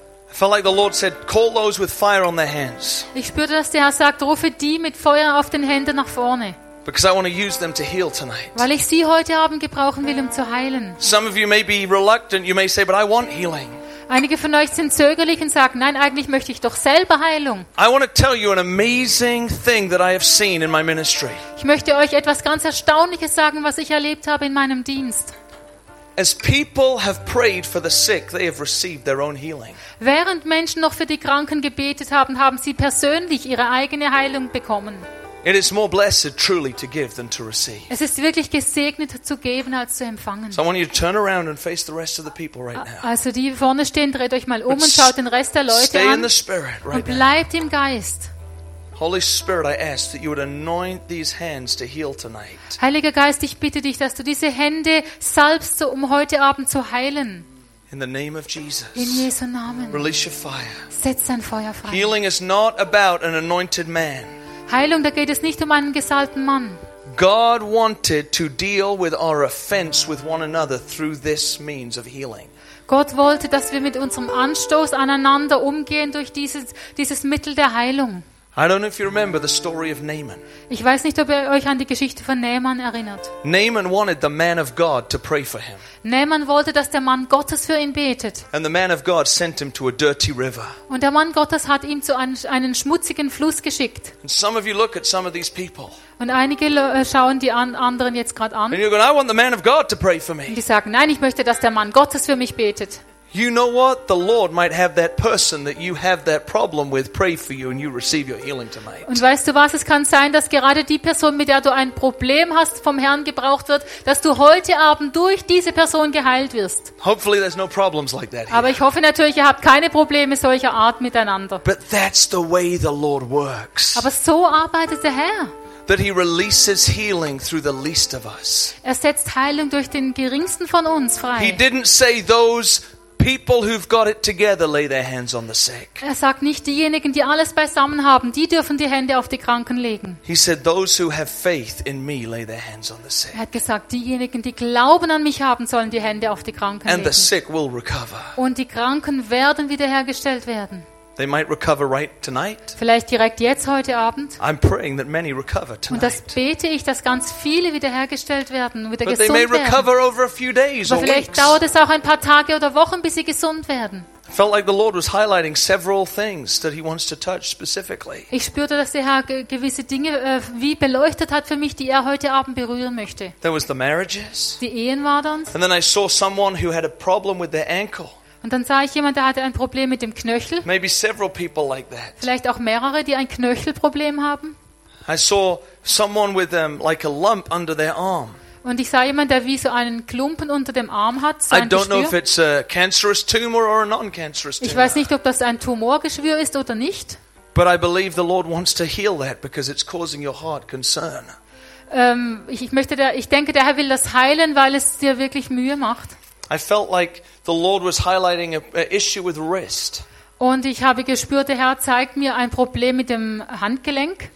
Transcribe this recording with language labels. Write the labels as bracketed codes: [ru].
[en] I felt like the Lord said, call those with fire on their hands. [de] Ich spürte, dass der Herr sagt, rufe die mit Feuer auf den Händen nach vorne. [en] Because I want to use them to heal tonight. [de] Weil ich sie heute Abend gebrauchen will, um zu heilen. [en] Some of you may be reluctant, you may say, but I want healing. [de] Einige von euch sind zögerlich und sagen, nein, eigentlich möchte ich doch selber Heilung. [en] I want to tell you an amazing thing that I have seen in my ministry. [de] Ich möchte euch etwas ganz Erstaunliches sagen, was ich erlebt habe in meinem Dienst. [en] As people have prayed for the sick, they have received their own healing. [de] Während Menschen noch für die Kranken gebetet haben, haben sie persönlich ihre eigene Heilung bekommen. [en] It is more blessed truly to give than to receive. [de] Es ist wirklich gesegnet zu geben als zu empfangen. [en] So I want you to turn around and face the rest of the people right now. [de] Also die vorne stehen, dreht euch mal um und schaut den Rest der Leute [en] stay [de] an. [en] In the spirit right [de] und bleibt [en] now. [de] Im Geist. [en] Holy Spirit, I ask that you would anoint these hands to heal tonight. [de] Heiliger Geist, ich bitte dich, dass du diese Hände salbst, um heute Abend zu heilen. [en] In the name of Jesus. [de] In Jesu Namen. [en] Release your fire. [de] Setz dein Feuer frei. [en] Healing is not about an anointed man. [de] Heilung, da geht es nicht um einen gesalbten Mann. [en] God wanted to deal with our offense with one another through this means of healing. [de] Gott wollte, dass wir mit unserem Anstoß aneinander umgehen durch dieses Mittel der Heilung. [en] I don't know if you remember the story of Naaman. [de] Ich weiß nicht, ob ihr euch an die Geschichte von Naaman erinnert. [en] Naaman wanted the man of God to pray for him. [de] Naaman wollte, dass der Mann Gottes für ihn betet. [en] And the man of God sent him to a dirty river. [de] Und der Mann Gottes hat ihn zu einem schmutzigen Fluss geschickt. [en] And some of you look at some of these people. [de] Und einige schauen die anderen jetzt gerade an. [en] And you're going, I want the man of God to pray for me. [de] Und die sagen, nein, ich möchte, dass der Mann Gottes für mich betet. [en] You know what? The Lord might have that person that you have that problem with pray for you and you receive your healing tonight. [de] Und weißt du was? Es kann sein, dass gerade die Person, mit der du ein Problem hast, vom Herrn gebraucht wird, dass du heute Abend durch diese Person geheilt wirst. [en] Hopefully there's no problems like that here. [de] Aber ich hoffe natürlich, ihr habt keine Probleme solcher Art miteinander. [en] But that's the way the Lord works. [de] Aber so arbeitet der Herr. [en] that he releases healing through the least of us. [de] Er setzt Heilung durch den geringsten von uns frei. [en] He didn't say those people who've got it together lay their hands on the sick. [de] Er sagt nicht, diejenigen, die alles beisammen haben, die dürfen die Hände auf die Kranken legen. [en] He said those who have faith in me lay their hands on the sick. [de] Er hat gesagt, diejenigen, die Glauben an mich haben, sollen die Hände auf die Kranken [en] and [de] legen. [en] And the sick will recover. [de] Und die Kranken werden wiederhergestellt werden. [en] They might recover right tonight. [de] Vielleicht direkt jetzt heute Abend. [en] I'm praying that many recover tonight. [de] Und das bete ich, dass ganz viele wiederhergestellt werden, wieder gesund werden. [en] But they may recover over a few days. [de] Aber vielleicht dauert es auch ein paar Tage oder Wochen, bis sie gesund werden. [en] Felt like the Lord was highlighting several things that he wants to touch specifically. [de] Ich spürte, dass der Herr gewisse Dinge wie beleuchtet hat für mich, die er heute Abend berühren möchte. [en] There was the marriages. [de] Die Ehen war dann. [en] And then I saw someone who had a problem with their ankle. [de] Und dann sah ich jemanden, der hatte ein Problem mit dem Knöchel. [en] Maybe several people like that. [de] Vielleicht auch mehrere, die ein Knöchelproblem haben. [en] I saw someone with them like a lump under their arm. [de] Und ich sah jemanden, der wie so einen Klumpen unter dem Arm hat, so ein Geschwür. [en] I don't know if it's a cancerous tumor or a non-cancerous tumor. [de] Ich weiß nicht, ob das ein Tumorgeschwür ist oder nicht. [en] But I believe the Lord wants to heal that because it's causing your heart concern. [de] Ich denke, der Herr will das heilen, weil es dir wirklich Mühe macht. [en] I felt like the Lord was highlighting an issue with wrist. [de] Und ich habe gespürt, der Herr zeigt mir ein Problem mit dem Handgelenk.